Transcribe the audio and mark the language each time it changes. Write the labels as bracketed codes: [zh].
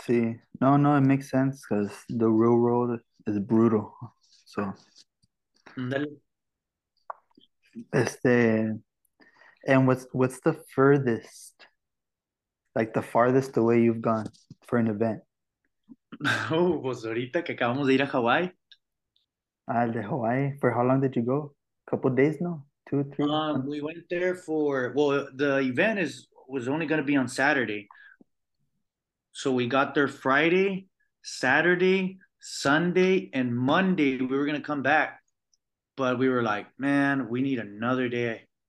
[en] See, no, it makes sense because the real world is brutal. So, Then, and what's the furthest, like the farthest away you've gone for an event? [es] oh, pues ahorita que acabamos de ir a Hawái. Al de Hawaii. [en] For how long did you go? A couple days, no? Two, three? We went there for, well, the event was only going to be on Saturday. So we got there Friday, Saturday, Sunday, and Monday. We were going to come back. But we were like, man, we need another day.